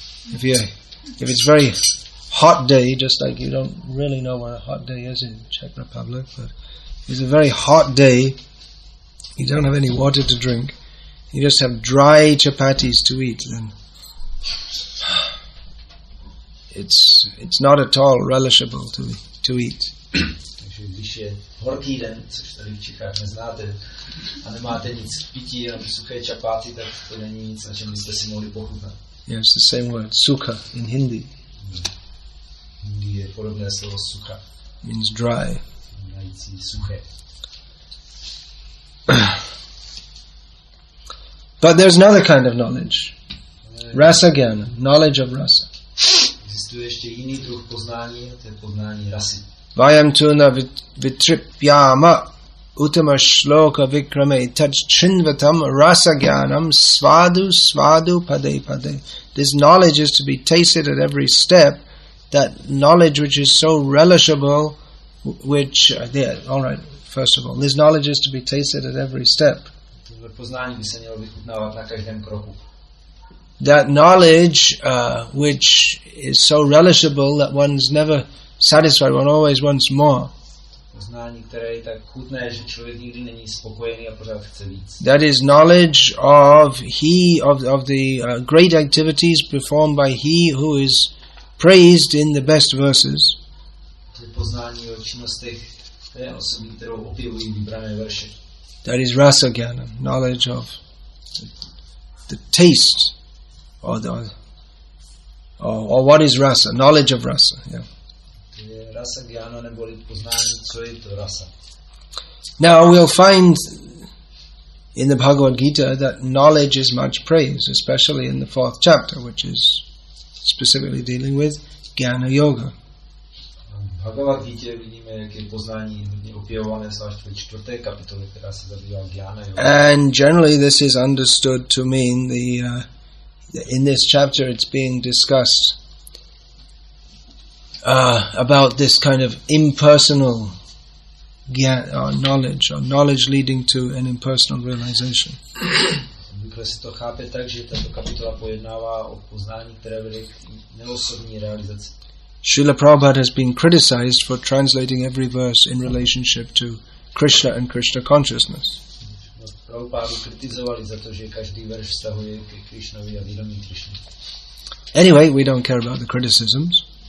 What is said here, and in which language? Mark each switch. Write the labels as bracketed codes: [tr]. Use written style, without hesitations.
[en] If it's very hot day, just like you don't really know what a hot day is in Czech Republic, but if it's a very hot day, you don't have any water to drink, you just have dry chapatis to eat, then it's not at all relishable to eat. [cs] Když je horký den, což tady v Čechách neznáte, a nemáte nic k pití, jenom suché čapáty, tak to není nic, na čem byste si mohli pochutnat. [en] Yeah, it's the same word, sukha, in Hindi. [cs] Hindi je podobné slovo sukha. [en] Means dry. [cs] Znamenající suché. [en] But there's another kind of knowledge. Rasa Gyana, knowledge of rasa. [cs] Existuje ještě jiný druh poznání, to je poznání rasy. [sa] Vayam tu na vitripyama utama shloka vikrame tad chinvatam rasa gyanam svadu svadu pade pade. [en] This knowledge is to be tasted at every step, that knowledge which is so relishable, which, yeah, all right, first of all, this knowledge is to be tasted at every step. [cs] Poznání by se mělo vychutnávat na každém kroku. [en] That knowledge which is so relishable that one's never satisfied, one always wants more. [cs] Poznání, které je tak chutné, že člověk nikdy není spokojený a pořád chce víc. [en] That is knowledge of he of the great activities performed by he who is praised in the best verses. [cs] Poznání o činnostech té osoby, kterou opěvují vybrané verše. [en] That is rasa gyana, knowledge of the taste or what is rasa, knowledge of rasa. Yeah. [cs] Rasa gyana, neboli poznání, co je to rasa. [en] Now we'll find in the Bhagavad Gita that knowledge is much praised, especially in the fourth chapter, which is specifically dealing with gyana yoga. [cs] Bhagavad Gita vidíme, jak je poznání hodně opěvované, zvlášť ve čtvrté kapitole, která se zabývá gyana yoga. [en] And generally this is understood to mean the in this chapter it's being discussed about this kind of impersonal knowledge or knowledge leading to an impersonal realization. [cs] Obvykle se to chápe tak, že tato kapitola pojednává o poznání, které vede k neosobní realizaci. [en] Srila Prabhupada has been criticized for translating every verse in relationship to Krishna and Krishna consciousness. [cs] Prabhupada kritizovali za to, že každý verš vztahuje ke Krishnovi a vědomí Krishna. [en] Anyway, we don't care about the criticisms.